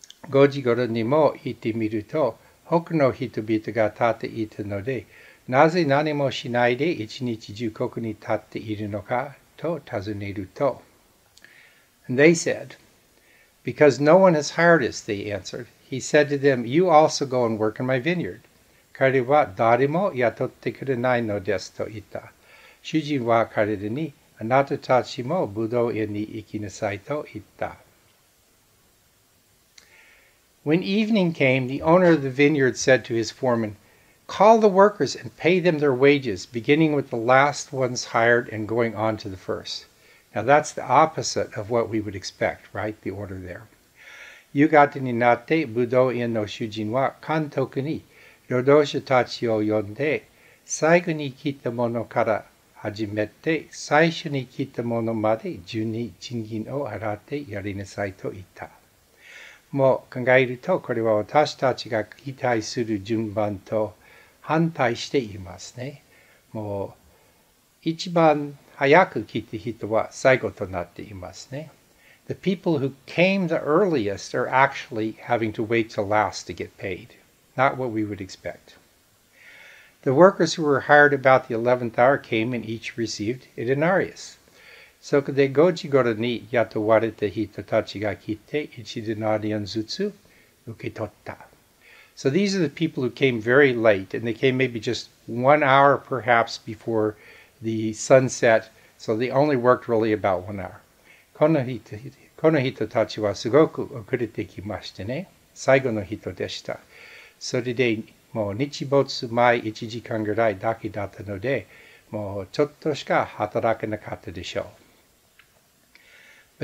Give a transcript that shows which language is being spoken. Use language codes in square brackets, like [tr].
[ja] 5時頃にも行ってみると他の人々が立っていたのでなぜ何もしないで一日中ここに立っているのかと尋ねると。 [en] And they said, Because no one has hired us, they answered. He said to them, You also go and work in my vineyard. [ja] 彼は誰も雇ってくれないのですと言った。主人は彼らに、あなたたちもブドウ園に行きなさいと言った。 [en] When evening came, the owner of the vineyard said to his foreman,Call the workers and pay them their wages, beginning with the last ones hired and going on to the first. Now that's the opposite of what we would expect, right? The order there. [ja] 夕方になって、ブドウ園の主人は監督に労働者たちを呼んで、最後に来たものから始めて、最初に来たものまで順に賃金を払ってやりなさいと言った。もう考えると、これは私たちが期待する順番と、反対していますね。もう一番早く来た人は最後となっていますね。 [en] The people who came the earliest are actually having to wait till last to get paid. Not what we would expect. The workers who were hired about the 11th hour came and each received a denarius. [ja] そこで5時頃に雇われた人たちが来て1デナリアンずつ受け取った。 [en] So these are the people who came very late, and they came maybe just 1 hour perhaps before the sunset, so they only worked really about 1 hour. [ja] この人たちはすごく遅れてきましたね。最後の人でした。それでもう日没前1時間ぐらいだけだったので、もうちょっとしか働けなかったでしょう。